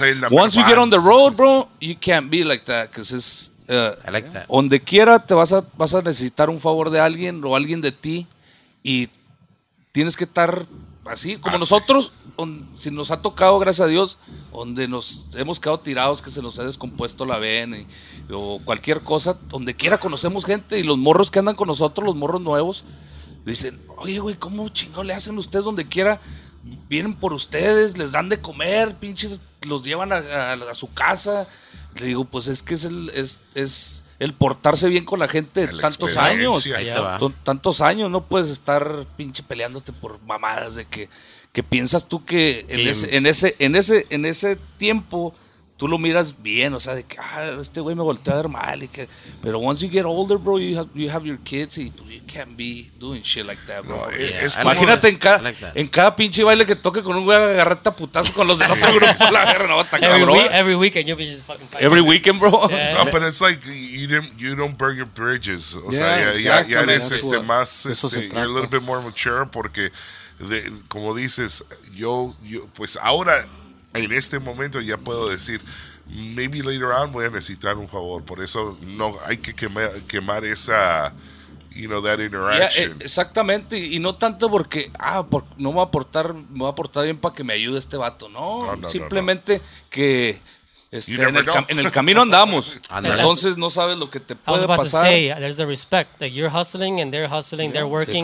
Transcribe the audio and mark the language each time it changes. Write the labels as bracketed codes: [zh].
[en] Once you get on the road, bro, you can't be like that, because it's... [es] donde quiera te vas a necesitar un favor de alguien o alguien de ti y tienes que estar así como nosotros, si nos ha tocado, gracias a Dios, donde nos hemos quedado tirados, que se nos ha descompuesto la vena o cualquier cosa, donde quiera conocemos gente y los morros que andan con nosotros, los morros nuevos, dicen, oye güey, ¿cómo chingón le hacen ustedes? Donde quiera vienen por ustedes, les dan de comer, pinches, los llevan a su casa. Le digo, pues es que es el portarse bien con la gente de tantos años. Tantos años, no puedes estar pinche peleándote por mamadas de que piensas tú que en ese tiempo tú lo miras bien, o sea, de que este güey me voltea a ver mal y que, pero [en] once you get older, bro, you have your kids [es] y [en] you can't be doing shit like that, bro. [es] Imagínate en cada pinche baile que toque con un güey agarrarte a putazo con los del otro grupo, la guerra no va a estar, cabrón. [en] Every weekend, bro. Yeah. [es] No, pero [en] it's like you don't burn your bridges. [es] O sea, ya eres más, [en] you're a little bit more mature [es] porque como dices, yo pues ahora en este momento ya puedo decir, [en] maybe later on [es] voy a necesitar un favor. Por eso no hay que quemar esa, [en] you know, that interaction. [es] Yeah, exactamente, y no tanto porque no me va a portar, me va a portar bien para que me ayude este vato, no simplemente no. Que en el camino andamos. Entonces no sabes lo que te puede pasar. [en] I was about to say, there's a respect. Like, you're hustling and they're hustling, yeah, they're working.